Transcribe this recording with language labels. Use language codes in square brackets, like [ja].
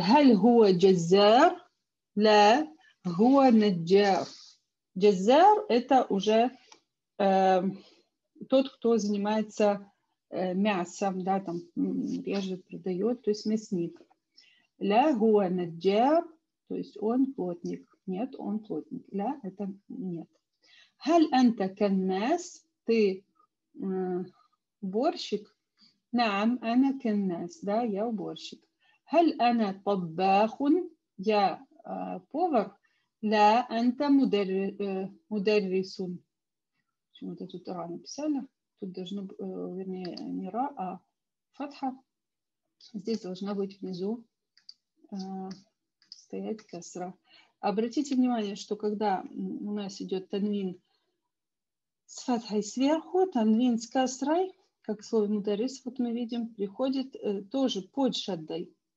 [ar] Хэль гуа джазэр, ла гуа наджэр. [ru] Джазэр – это уже тот, кто занимается мясом, да, там режет, продает, то есть мясник. [ar] Ла гуа наджэр, [ru] то есть он плотник. Нет, он плотник. Ла – это нет. [ar] هل أنت كناس؟ [ru] ты уборщик؟ [ar] نعم أنا كناس. [ru] Да, я уборщик. [ar] هل أنا طباخ؟ [ru] я повар. [ar] لا أنت مدرس. [ru] Почему-то тут ра написано. Тут должно быть, вернее, не ра, а фатха. Здесь должна быть внизу стоять касра. Обратите внимание, что когда у нас идет танвин с фатхой сверху, танвин с касрой, как слово мударис, вот мы видим, приходит тоже под шаддой.